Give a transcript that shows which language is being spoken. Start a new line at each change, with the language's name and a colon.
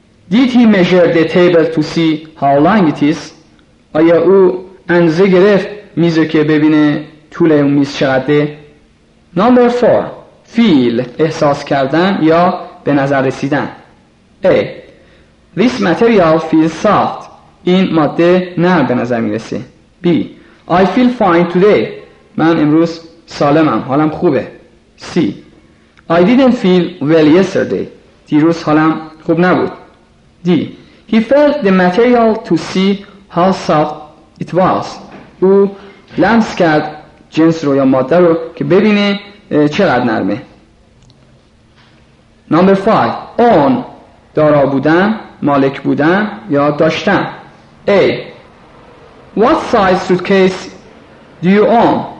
English: Did he measure the table to see how long it is?
Persian: آیا او اندازه گرفت میز رو که ببینه طول اون میز چقدره؟
English: Number 4. Feel.
Persian: احساس کردن یا به نظر رسیدن.
English: A. This material feels soft.
Persian: این ماده نرم به نظر میرسه.
English: B. I feel fine today.
Persian: من امروز سالمم. حالم خوبه.
English: C. I didn't feel well yesterday.
Persian: دیروز حالم خوب نبود. D.
English: He felt the material to see how soft it was.
Persian: او لمس کرد جنس رو یا ماده رو که ببینه چقدر نرمه.
English: Number 5. Own.
Persian: دارا بودن، مالک بودن یا داشتن.
English: A. What size suitcase do you own?